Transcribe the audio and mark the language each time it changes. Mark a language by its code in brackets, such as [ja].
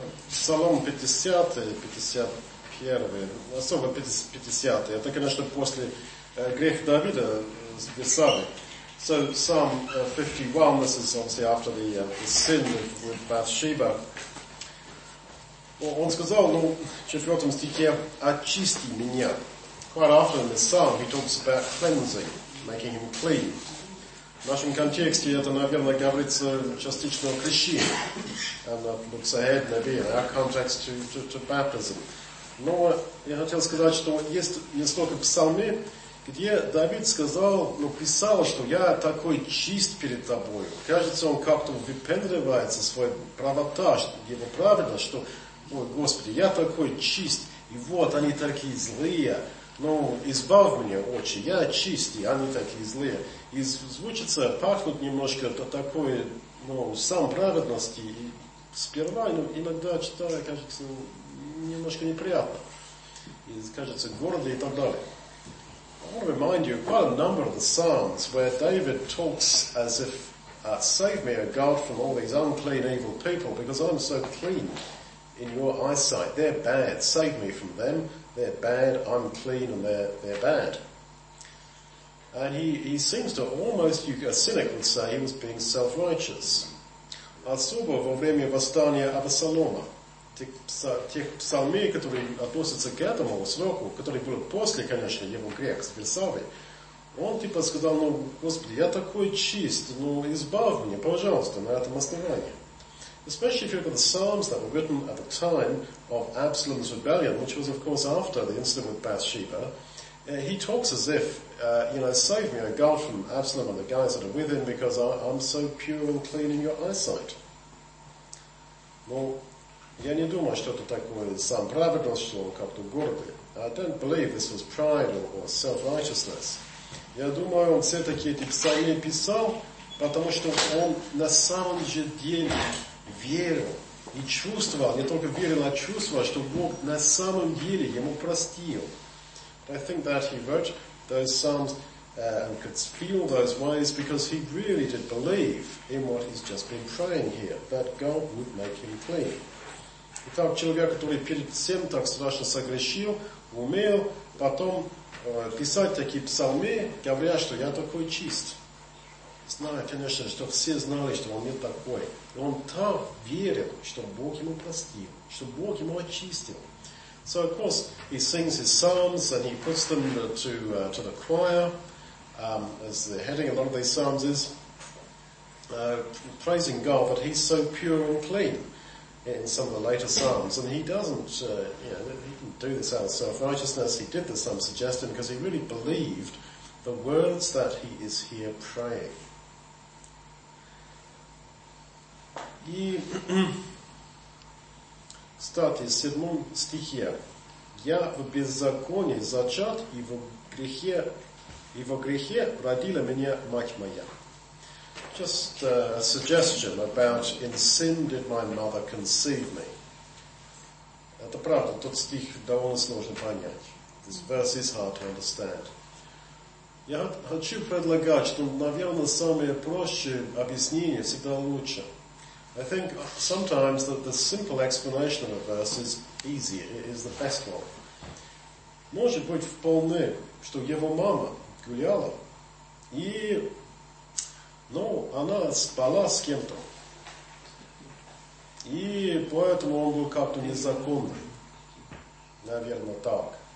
[ru] Псалом 50-51, особо 50-й, это, конечно, после греха Давида с Бесавой. [en] So Psalm 51, this is obviously after the sin with Bathsheba. [ru] Он сказал, ну, в 4 стихе, очисти меня. [en] Quite often in the psalm he talks about cleansing, making him clean. [ru] В нашем контексте это, наверное, говорится частично о крещении. [en] And that looks ahead, maybe, in our context to baptism. [ru] Но я хотел сказать, что есть несколько псалмы, где Давид сказал, ну, писал, что я такой чист перед тобой. Кажется, он как-то выпендривается, свою правота, его праведность, что, ой, Господи, я такой чист, и вот они такие злые. Ну, избавь меня, отче, я чистый, они такие злые. И звучится, пахнет немножко такой, ну, сам праведности. И сперва, ну, иногда читаю, кажется, немножко неприятно. И кажется, гордый и так далее. [en] I want to remind you, quite a number of the Psalms where David talks as if, save me, O God, from all these unclean, evil people, because I'm so clean in your eyesight. They're bad, save me from them. They're bad, I'm clean, and they're bad. And he seems to almost, a cynic would say, he was being self-righteous. [ru] Особо во время восстания Авессалома, тех псалмей, которые относятся к этому сроку, который был после, конечно, его грех с Бесавой, он типа сказал, ну, Господи, я такой чист, ну, избавь меня, пожалуйста, на этом основании. [en] Especially if you look at the psalms that were written at the time of Absalom's rebellion, which was, of course, after the incident with Bathsheba, he talks as if, you know, save me, O God, from Absalom and the guys that are with him, because I'm so pure and clean in your eyesight. [ru] Well, я не думаю, что это такое сам праведность, что он как-то гордый. [en] I don't believe this was pride or self-righteousness. [ru] Я думаю, он все-таки эти псалмы писал, потому что он на самом же деле верил и чувствовал, не только верил, а чувствовал, что Бог на самом деле ему простил. [en] I think that he wrote those psalms and could feel those ways because he really did believe in what he's just been praying here, that God would make him clean. [ru] Итак, человек, который перед всем так страшно согрешил, умел потом писать такие псалмы, говоря, что я такой чист. Знаю, конечно, что все знали, что он не такой. И он так верил, что Бог ему простил, что Бог ему очистил. [en] So, of course, he sings his psalms and he puts them to the choir, as the heading of one of these psalms is, praising God that he's so pure and clean in some of the later psalms. And he doesn't, he didn't do this out of self-righteousness. He did this, I'm suggesting, because he really believed the words that he is here praying. [ru] И, кстати, в 7 стихе, «Я в беззаконии зачат, и во грехе родила меня мать моя». [en] Just a suggestion about «In sin did my mother conceive me». [ru] Это правда, тот стих довольно сложно понять. [en] This verse is hard to understand. [ru] Я хочу предлагать, что, наверное, самое проще объяснение всегда лучше. [en] I think sometimes that the simple explanation of a verse is easy, is the best one. [ru] Может быть вполне, что его мама гуляла, и, ну, она спала с кем-то. И поэтому он был как-то незаконный. Наверное, так.